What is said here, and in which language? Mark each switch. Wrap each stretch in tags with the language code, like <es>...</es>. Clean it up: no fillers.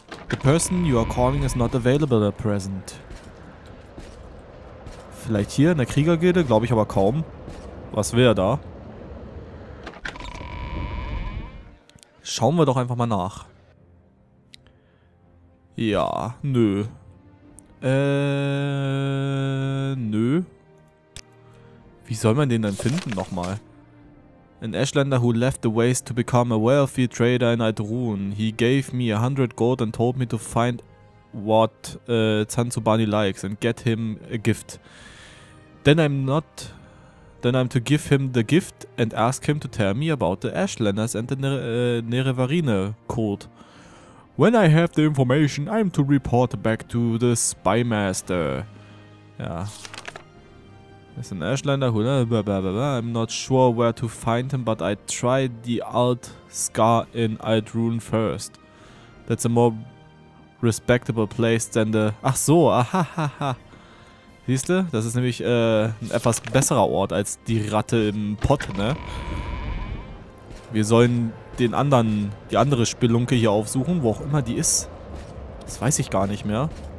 <en>The person you are calling is not available at present.</en> <de>Vielleicht hier in der Kriegergilde? Glaube ich aber kaum. Was wäre da? Schauen wir doch einfach mal nach. Ja, nö. Nö. Wie soll man den denn finden nochmal?</de> <en>An Ashlander who left the waste to become a wealthy trader in Aldruhn. He gave me 100 gold and told me to find what Sainsuobani likes and get him a gift. Then I'm to give him the gift and ask him to tell me about the Ashlanders and the Nerevarine cult. When I have the information, I'm to report back to the Spymaster. Ja.</en> <de>Ist ein Ashlander,</de> <en>I'm not sure where to find him, but I tried the Alt Scar in Aldruhn first. That's a more respectable place than the...</en> <de>Ach so, ahahaha. Siehste, das ist nämlich ein etwas besserer Ort als die Ratte im Pott, ne? Wir sollen die andere Spelunke hier aufsuchen, wo auch immer die ist. Das weiß ich gar nicht mehr.</de>